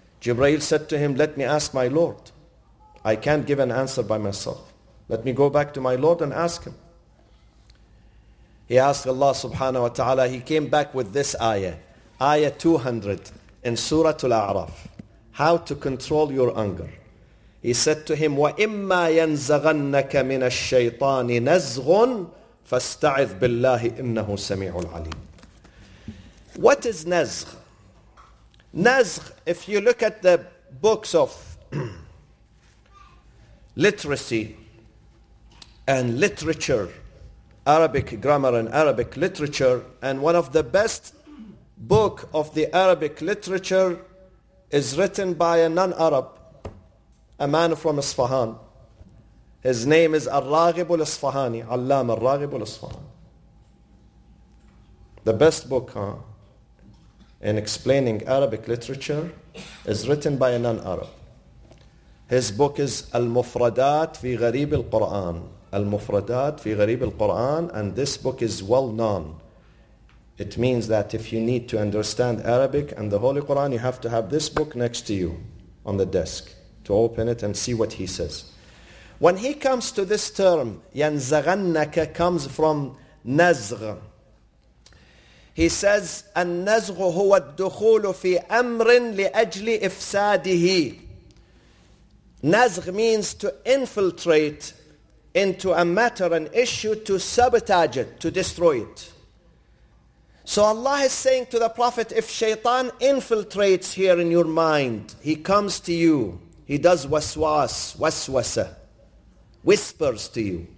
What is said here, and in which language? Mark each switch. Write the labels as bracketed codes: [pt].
[en] Jibreel said to him, let me ask my Lord. I can't give an answer by myself. Let me go back to my Lord and ask him. He asked Allah subhanahu wa ta'ala, he came back with this ayah, ayah 200 in Surah Al-A'raf, how to control your anger. He said to him, [ar] وَإِمَّا يَنْزَغَنَّكَ مِنَ الشَّيْطَانِ نَزْغٌ فَاسْتَعِذْ بِاللَّهِ إِنَّهُ سَمِيعُ الْعَلِيمُ. [en] What is nazgh? Nazgh, if you look at the books of literacy and literature, Arabic grammar and Arabic literature, and one of the best book of the Arabic literature is written by a non-Arab, a man from Isfahan. His name is Al-Raghib al-Isfahani, Allama Al-Raghib al-Isfahani. The best book in explaining Arabic literature is written by a non-Arab. His book is Al-Mufradat fi Ghareeb al-Qur'an. Al-Mufradat fi Ghareeb al-Qur'an, and this book is well known. It means that if you need to understand Arabic and the Holy Qur'an, you have to have this book next to you on the desk to open it and see what he says. When he comes to this term, ينزغنك, comes from نزغ. He says, [ar] النزغ هو الدخول في أمر لأجل إفساده. [en] نزغ means to infiltrate into a matter, an issue, to sabotage it, to destroy it. So Allah is saying to the Prophet, if Shaitan infiltrates here in your mind, he comes to you, he does waswas, waswasa, whispers to you.